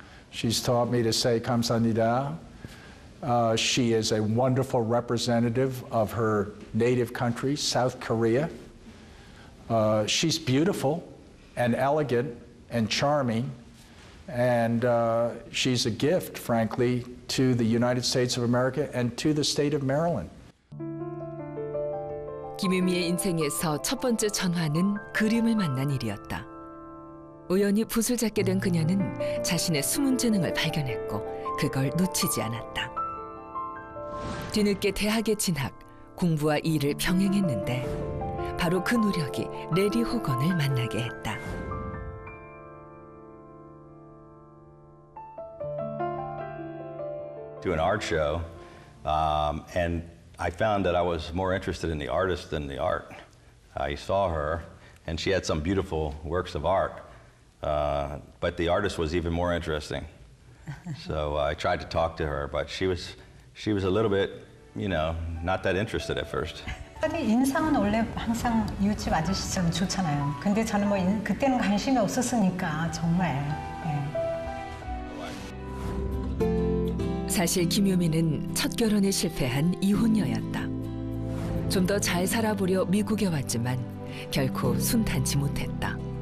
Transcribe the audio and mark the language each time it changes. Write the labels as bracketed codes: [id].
[en] She's taught me to say Kamsanida. She is a wonderful representative of her native country, South Korea. She's beautiful and elegant and charming. And she's a gift, frankly, to the United States of America and to the state of Maryland. [ko] 김유미의 인생에서 첫 번째 전환은 그림을 만난 일이었다. 우연히 붓을 잡게 된 그녀는 자신의 숨은 재능을 발견했고 그걸 놓치지 않았다. 뒤늦게 대학에 진학, 공부와 일을 병행했는데 바로 그 노력이 래리 호건을 만나게 했다. 한 [en] art show and I found that I was more interested in the artist than the art. I saw her, and she had some beautiful works of art, but the artist was even more interesting. So I tried to talk to her, but she was a little bit, you know, not that interested at first. [ko] 아니 인상은 원래 항상 유치 맞으시죠, 좋잖아요. 근데 저는 뭐 그때는 관심이 없었으니까 정말. 사실 김유미는 첫 결혼에 실패한 이혼녀였다. 좀 더 잘 살아보려 미국에 왔지만 결코 순탄치 못했다.